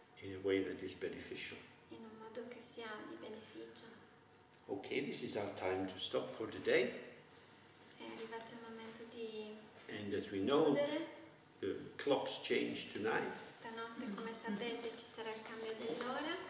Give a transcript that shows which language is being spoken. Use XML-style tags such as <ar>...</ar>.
<en>in a way that is beneficial.</en> <it>In un modo che sia di beneficio.</it> <en>Okay, this is our time to stop for today.</en> <it>È arrivato il momento di</it> <en>And as we know, the clocks change tonight.</en> <it>Stanotte, come sapete, ci sarà il cambio dell'ora.</it>